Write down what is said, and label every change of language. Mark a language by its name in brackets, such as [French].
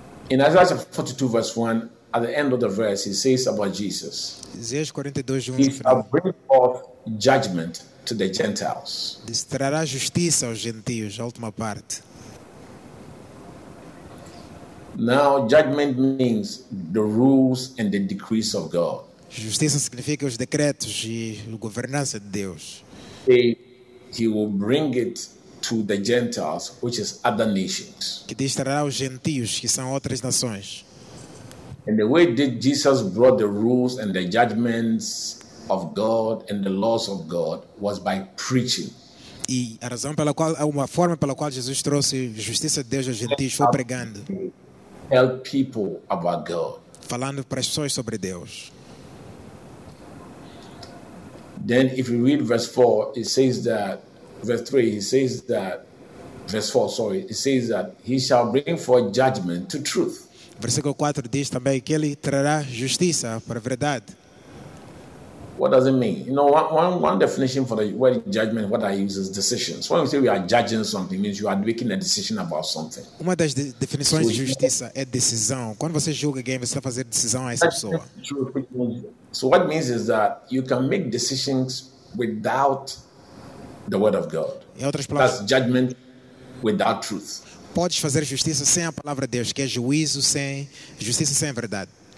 [English] In Isaiah 42 verse 1, at the end of the verse, he says about Jesus. [Portuguese] Isaías 42, 1, [English] he shall bring forth judgment to the Gentiles. [Portuguese] Destrará justiça aos gentios, a última parte. [English] Now, judgment means the rules and the decrees of God. [Portuguese] Justiça significa os decretos e a governança de Deus. [English] He will bring it to the Gentiles, which is other nations. [Portuguese] Que destrará os gentios, que são outras nações. [English] And the way that Jesus brought the rules and the judgments of God and the laws of God was by preaching. [Portuguese] E a razão pela qual, uma forma pela qual Jesus trouxe justiça de Deus aos gentios foi pregando. [English] Tell people about God. [Portuguese] Falando para as pessoas sobre Deus. [English] Then if you read verse 4, it says that verse 4, it says that he shall bring forth judgment to truth. [Portuguese] Versículo 4 diz também que ele trará justiça para a verdade. [English] What does it mean? You know, one definition for the word judgment, what I use is decisions. When we say we are judging something, it means you are making a decision about something. [Portuguese] Uma das definições de justiça é decisão. Quando você julga alguém, você está fazendo decisão a essa pessoa. [English] So what it means is that you can make decisions without the word of God. [Portuguese] Em outras palavras, [English] that's judgment without truth. [Portuguese] Podes fazer justiça sem a palavra de Deus, que é juízo sem justiça sem a verdade.